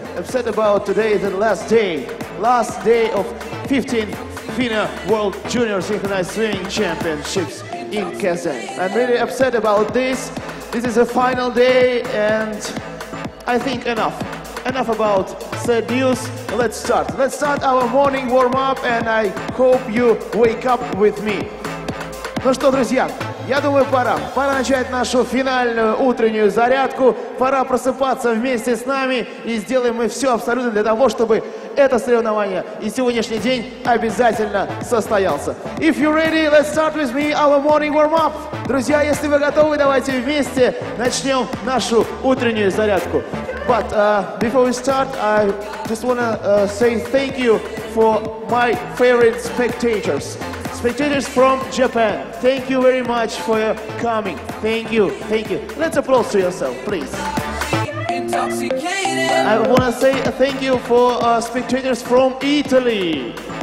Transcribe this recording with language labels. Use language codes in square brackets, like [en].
[en] Upset about today, the last day of 15th FINA World Junior Synchronized Swimming Championships in Kazan. I'm really upset about this. This is the final day, and I think enough. Enough about sad news. Let's start. Let's start our morning warm up, and I hope you wake up with me. [ru] Ну что, друзья? Я думаю, пора. Пора начать нашу финальную утреннюю зарядку. Пора просыпаться вместе с нами. И сделаем мы все абсолютно для того, чтобы это соревнование и сегодняшний день обязательно состоялся. [en] If you're ready, let's start with me our morning warm-up. [ru] Друзья, если вы готовы, давайте вместе начнем нашу утреннюю зарядку. [en] But before we start, I just want to say thank you for my favorite spectators. Spectators from Japan, thank you very much for your coming. Thank you, thank you. Let's applause to yourself, please. I want to say thank you for spectators from Italy.